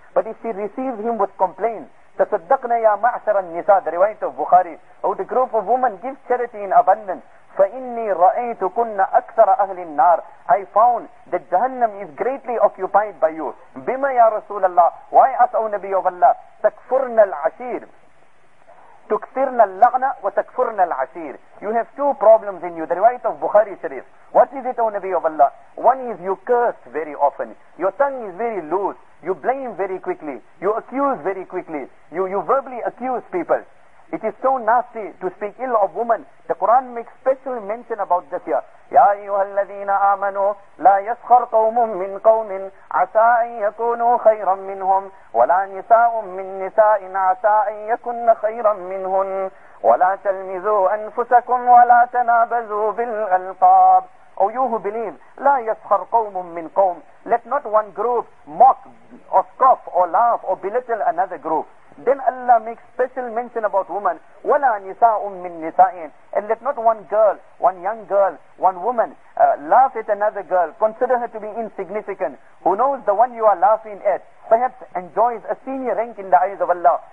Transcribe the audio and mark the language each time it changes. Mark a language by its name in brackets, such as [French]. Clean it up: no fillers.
[English] But if she receives him with complaint, [Arabic] تَصَدَّقْنَا يَا مَعْشَرَ النِّسَاءِ, [English] the riwayat of Bukhari, oh, the group of women give charity in abundance. [Arabic] فَإِنِّي رَأَيْتُكُنَّ أَكْثَرَ أَهْلِ النَّارِ. [English] I found that Jahannam is greatly occupied by you. [Arabic] بِمَا يَا رَسُولَ اللَّهِ. [English] Why us, O Nabi of Allah? [Arabic] تَكْفُرْنَا الْعَشِيرِ. تكثرنا اللعنة وتكفرنا العشير. [English] You have two problems in you. The right of Bukhari Sharif. What is it, O Nabi of Allah? One is you curse very often. Your tongue is very loose. You blame very quickly. You accuse very quickly. You verbally accuse people. It is so nasty to speak ill of women. The Quran makes special mention about this here. [Arabic] يَا أَيُّهَا الَّذِينَ آمَنُوا لَا يَسْخَرْ قَوْمٌ مِّن قَوْمٍ عَسَىٰ أَن يَكُونُوا خَيْرًا مِّنْهُمْ وَلَا نِسَاءٌ مِّن نِّسَاءٍ عَسَىٰ أَن يَكُنَّ خَيْرًا مِّنْهُمْ وَلَا تَلْمِزُوا أَنفُسَكُمْ وَلَا تَنَابَزُوا بِالْأَلْقَابِ. [English] Oh, you who believe, [Arabic] لَا يَسْخَرْ قَوْمٌ مِّن قَوْمٍ. [English] Let not one group mock or scoff or laugh or belittle another group. Then Allah makes special mention about woman. [Arabic] وَلَا نِسَاءٌ مِّن نِّسَاءٍ. [English] And let not one girl, one young girl, one woman laugh at another girl, consider her to be insignificant. Who knows, the one you are laughing at perhaps enjoys a senior rank in the eyes of Allah.